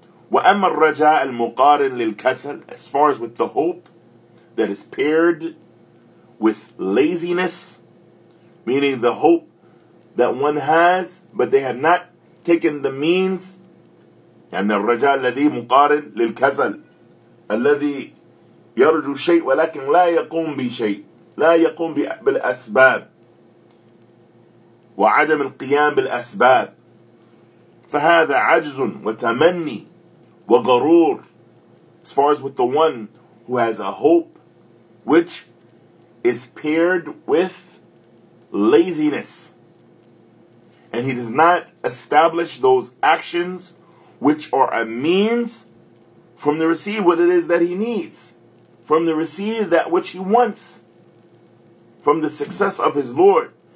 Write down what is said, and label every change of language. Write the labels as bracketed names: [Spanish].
[Arabic] وَأَمَّا الرَّجَاءَ الْمُقَارِنْ لِلْكَسَلِ, [English] as far as with the hope that is paired with laziness, meaning the hope that one has, but they have not taken the means. [Arabic] يعني الرجاء الذي مقارن للكسل الذي يرجو شيء ولكن لا يقوم بشيء, لا يقوم بالأسباب وعدم القيام بالأسباب, فهذا عجز وتمني وغرور. [English] As far as with the one who has a hope which is paired with laziness and he does not establish those actions which are a means from the receive what it is that he needs, from the receive that which he wants, from the success of his Lord.